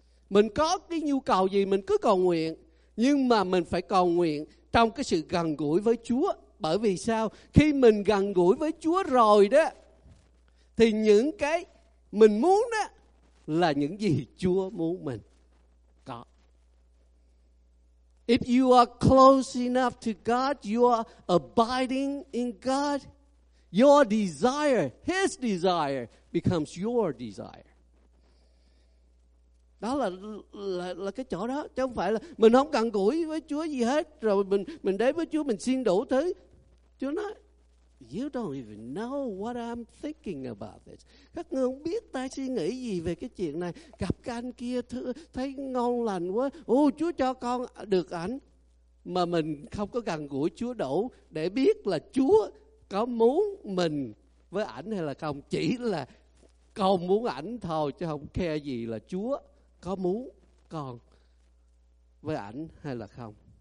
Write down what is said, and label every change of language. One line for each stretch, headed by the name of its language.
Vietnamese: Mình có cái nhu cầu gì mình cứ cầu nguyện, nhưng mà mình phải cầu nguyện trong cái sự gần gũi với Chúa. Bởi vì sao? Khi mình gần gũi với Chúa rồi đó, thì những cái mình muốn đó là những gì Chúa muốn mình.
English: If you are close enough to God, you are abiding in God, your desire, His desire, becomes your desire.
Vietnamese: Đó là cái chỗ đó, chứ không phải là mình không cần gũi với Chúa gì hết, rồi mình đến với Chúa, mình xin đủ thứ. Chúa nói,
English: you don't even know what I'm thinking about this.
Vietnamese: Các ngươi không biết ta suy nghĩ gì về cái chuyện này. Gặp cái anh kia thấy ngon lành quá. Ô, Chúa cho con được ảnh. Mà mình không có gần gũi Chúa đủ để biết là Chúa có muốn mình với ảnh hay là không. Chỉ là con muốn ảnh thôi, chứ không care gì là Chúa có muốn con với ảnh hay là không.